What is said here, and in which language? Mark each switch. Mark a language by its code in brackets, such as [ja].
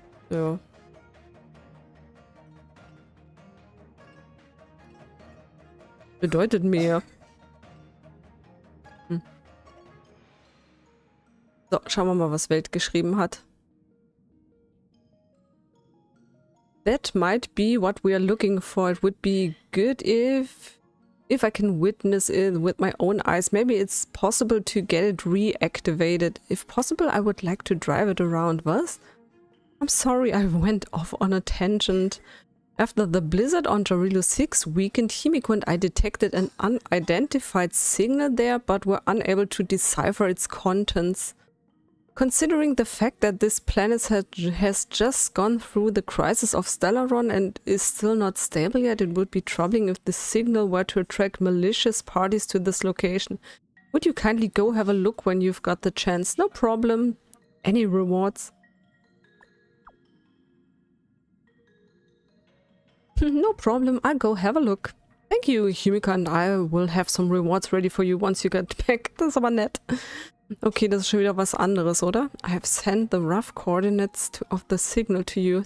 [de] Ja. Bedeutet mehr. So, schauen wir mal, was Welt geschrieben hat. [en] That might be what we are looking for. It would be good if I can witness it with my own eyes. Maybe it's possible to get it reactivated. If possible, I would like to drive it around. [de] Was? [en] I'm sorry, I went off on a tangent. After the blizzard on Jarillo 6 weakened Himiko and I detected an unidentified signal there, but were unable to decipher its contents. Considering the fact that this planet has just gone through the crisis of Stellaron and is still not stable yet, it would be troubling if the signal were to attract malicious parties to this location. Would you kindly go have a look when you've got the chance? No problem. Any rewards? No problem. I'll go have a look. Thank you, Himika, and I will have some rewards ready for you once you get back. [de] Das ist aber nett. Okay, das ist schon wieder was anderes, oder? [en] I have sent the rough coordinates of the signal to you.